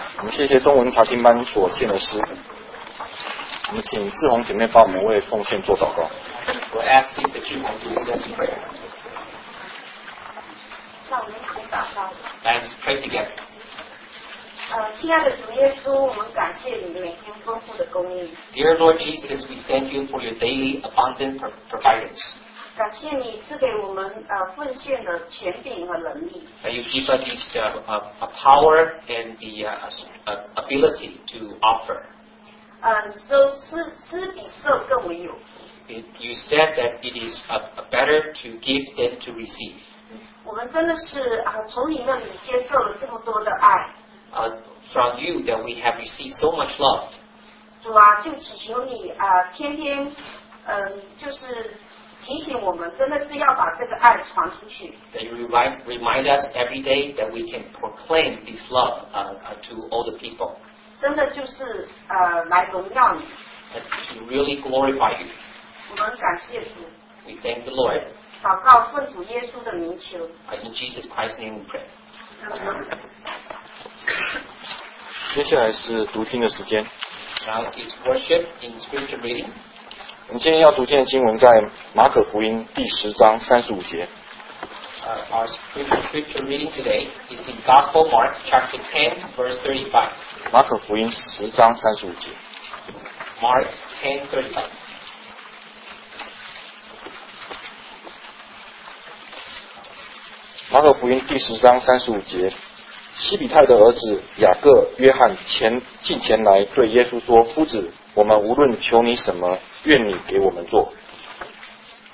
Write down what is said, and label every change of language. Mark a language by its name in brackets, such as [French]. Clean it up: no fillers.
[Chinese] 些中文查经班所献的诗。我们请志宏姐妹帮我们为奉献做祷告。我 [English] ask you to join us in prayer. Let's pray together. [Chinese] 亲爱的主耶稣，我们感谢你每天丰富的供应。 [English] Dear Lord Jesus, we thank you for your daily abundant providence. [Chinese] 感谢你赐给我们奉献的权柄和能力。 [English] You give us this power and the ability to offer. [Chinese] 施比受更为有福。 [English] You said that it is better to give than to receive. [Chinese] 我们真的是从你那里接受了这么多的爱。 [English] From you that we have received so much love. [Chinese] 主啊，就祈求你天天就是提醒我们，真的是要把这个爱传出去。 [English] That you remind us every day that we can proclaim this love to all the people. [Chinese] 真的就是来荣耀你。 [English] To really glorify you. [Chinese] 我们感谢主。 [English] We thank the Lord. [Chinese] 祷告奉主耶稣的名求。 [English] In Jesus Christ's name we pray. Amen. [Chinese] 接下来是读经的时间。 [English] Now it's worship in scripture reading. [Chinese] 我们今天要读经的经文在马可福音第十章三十五节。 [English] Our scripture reading today is in Gospel Mark chapter 10 verse 35. [Chinese] 马可福音十章三十五节。 [English] Mark 10:35. [Chinese] 马可福音第十章三十五节。西比泰的儿子雅各、约翰近前来对耶稣说：“夫子，我们无论求你什么，愿你给我们做。”